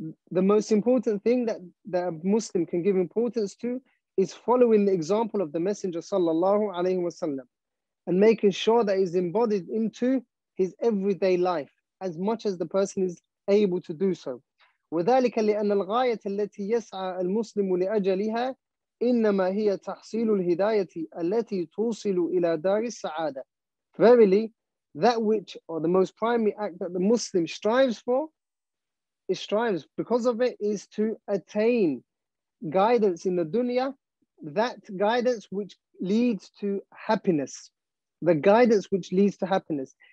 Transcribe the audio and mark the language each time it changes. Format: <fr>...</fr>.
<en>The most important thing that a Muslim can give importance to is following the example of the Messenger sallallahu alayhi wa sallam and making sure that he's embodied into his everyday life as much as the person is able to do so.</en> <ar>وذلك لأن الغاية التي يسعى المسلم لأجلها إنما هي تحصيل الهداية التي توصل إلى دار السعادة.</ar> <en>Verily, that which, or the most primary act that the Muslim strives for, it strives because of it, is to attain guidance in the dunya, that guidance which leads to happiness, the guidance which leads to happiness.</en>